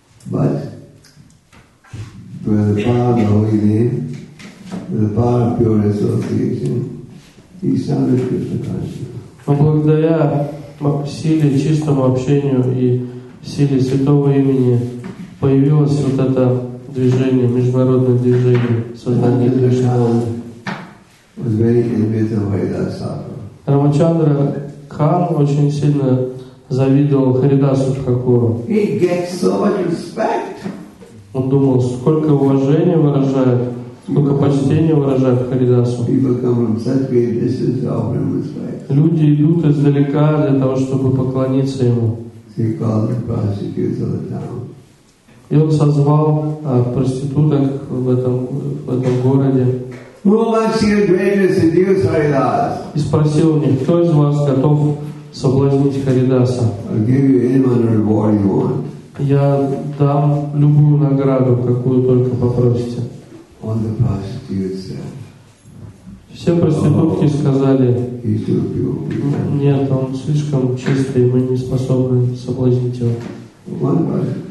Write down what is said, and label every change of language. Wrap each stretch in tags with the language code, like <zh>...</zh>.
<en>But with the power of the holy name, with the power of pure association, he started Krishna consciousness.</en> <ru>Благодаря силе чистому общению и силе святого имени появилось вот это движение, международное движение сознания Кришны.</ru> <en>Was very envious of Haridasa.</en> <ru>Рамачандра Кхан очень сильно завидовал Харидасу Тхакуру.</ru> <en>He gets so much respect.</en> <ru>Он думал, сколько уважения выражает, сколько почтения выражает Харидасу.</ru> <en>People come from such great distance to offer him respect.</en> <ru>Люди идут издалека для того, чтобы поклониться ему.</ru> <en>He called the prostitutes of the town.</en> <ru>И он созвал проституток в этом городе.</ru> <en>Who wants to seduce Haridas?</en> <ru>И спросил у них, кто из вас готов соблазнить Харидаса?</ru> <en>I'll give you any amount of reward you want.</en> <ru>Я дам любую награду, какую только попросите.</ru> <en>All the prostitutes said.</en> <ru>Все проститутки сказали, нет, он слишком чистый, мы не способны соблазнить его.</ru>